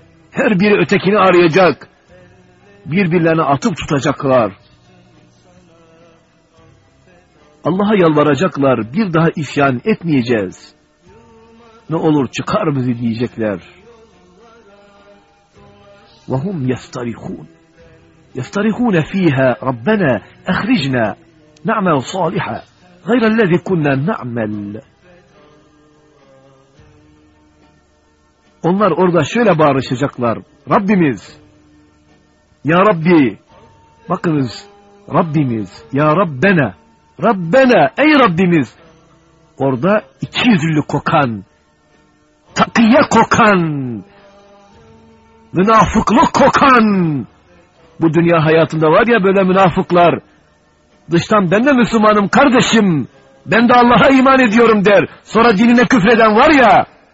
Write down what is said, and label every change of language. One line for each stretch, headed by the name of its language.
Turkish: Her biri ötekini arayacak. Birbirlerini atıp tutacaklar. Allah'a yalvaracaklar, bir daha isyan etmeyeceğiz. Ne olur çıkar bizi diyecekler.
Arabic: وَهُمْ يَسْتَرِخُونَ يَسْتَرِخُونَ ف۪يهَا رَبَّنَا اَخْرِجْنَا نَعْمَلْ صَالِحَا غَيْرَ الَّذِي كُنَّا نَعْمَلْ
Turkish: Onlar orada şöyle bağırışacaklar. Rabbimiz, Ya Rabbi, bakınız, Rabbimiz, Ya Rabbena, Rabbena, ey Rabbimiz, orada iki yüzlü kokan, takiye kokan, münafıklık kokan, bu dünya hayatında var ya böyle münafıklar, dıştan ben de Müslümanım kardeşim, ben de Allah'a iman ediyorum der, sonra dinine küfreden var ya,